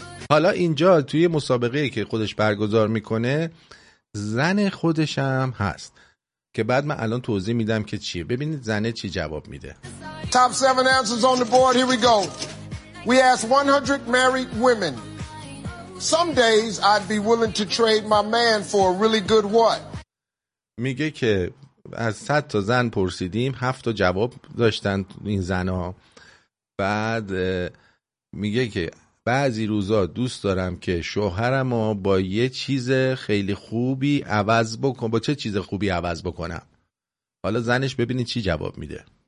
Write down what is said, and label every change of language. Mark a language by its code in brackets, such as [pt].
[fa] حالا اینجا توی مسابقه که خودش برگزار میکنه، زن خودش هم هست که بعد من الان توضیح میدم که چیه. ببینید زنه چی جواب میده. [en] Top 7 answers on the board. Here we go. We asked 100 married women. Some days I'd be willing to trade my man for a really good what? [fa] میگه که از 100 تا زن پرسیدیم، 7 تا جواب داشتن این زنها. بعد میگه که بعضی روزا دوست دارم که شوهرمو با یه چیز خیلی خوبی عوض بکنم. با چه چیز خوبی عوض بکنم؟ حالا زنش ببینید چی جواب میده.